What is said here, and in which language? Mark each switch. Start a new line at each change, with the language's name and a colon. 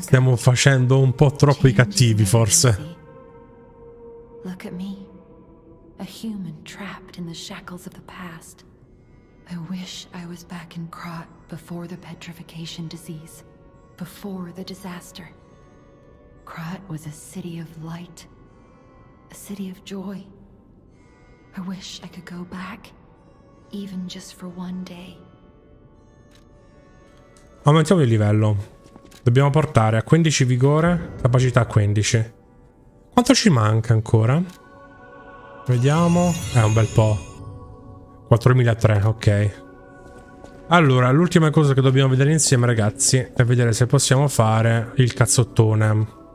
Italian: Stiamo facendo un po' troppo i cattivi, forse.
English: Look at me. A human trapped in the shackles of the past. I wish I was back in Krat before the petrification disease, before the disaster. Krat was a city of light, a city of joy. I wish I could go back, even just for one day.
Italian: Aumentiamo il livello. Dobbiamo portare a 15 vigore, capacità 15. Quanto ci manca ancora? Vediamo. Un bel po'. 4.003, ok. Allora, l'ultima cosa che dobbiamo vedere insieme, ragazzi, è vedere se possiamo fare il cazzottone.